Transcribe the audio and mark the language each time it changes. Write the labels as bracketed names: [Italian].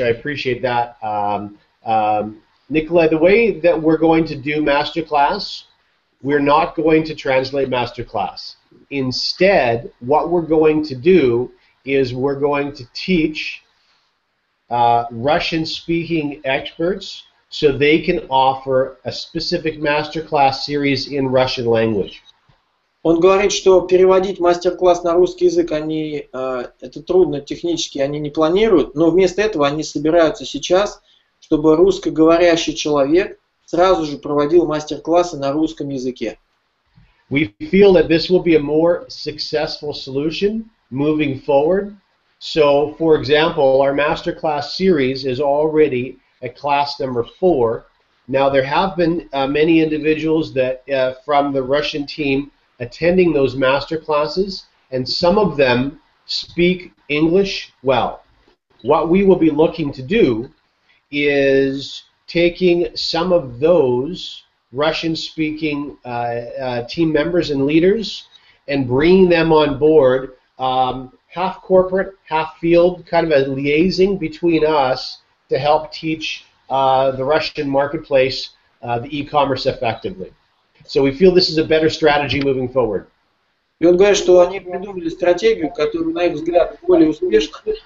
[English] I appreciate that. Nikolai, the way that we're going to do masterclass, we're not going to translate masterclass. Instead, what we're going to do is we're going to teach Russian-speaking experts so they can offer a specific masterclass series in Russian language. [Russian] Он говорит, что переводить мастер-класс на русский язык, они, это трудно технически, они не планируют, но вместо этого они собираются сейчас, чтобы русскоговорящий человек сразу же проводил мастер-классы на русском языке. [English] We feel that this will be a more successful solution moving forward. So, for example, our masterclass series is already at class number 4. Now, there have been many individuals that from the Russian team attending those masterclasses, and some of them speak English well. What we will be looking to do is taking some of those Russian-speaking team members and leaders and bringing them on board, half corporate, half field, kind of a liaising between us to help teach the Russian marketplace the e-commerce effectively. So we feel this is a better strategy moving forward. [Russian] И он говорит, что они придумали стратегию, которая, на их взгляд, более успешна.